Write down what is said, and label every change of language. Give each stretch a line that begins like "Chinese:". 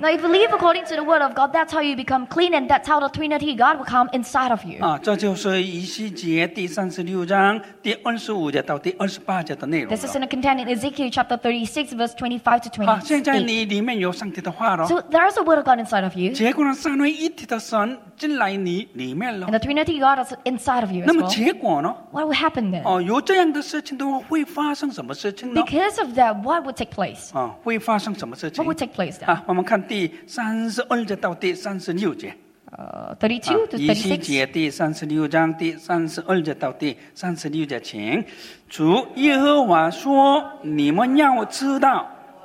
English: Now, if you live according to the word of God, that's how you become clean, and that's how the Trinity God will come inside of you.
Chinese: 这就是以西结第36章第25节到第28节的内容。
English: This is in a content in Ezekiel chapter 36, verse 25 to 28.
Chinese: 现在你里面 有上帝的话咯,
English: so there is a word of God inside of you.
Chinese: 结果呢，三位一体的神进来你里面了,
English: and the Trinity God is inside of you as well.
Chinese: 那么结果呢?
English: What will happen then?
Chinese: 有这样的事情的话，会发生什么事情呢?
English: Because of that, what would take place?
Chinese: 会发生什么事情?
English: What would take place then?
Chinese: 我们看第32节到第36节。 32 to 36。以西结第36章第32节到第36节，请主耶和华说：“你们要知道。”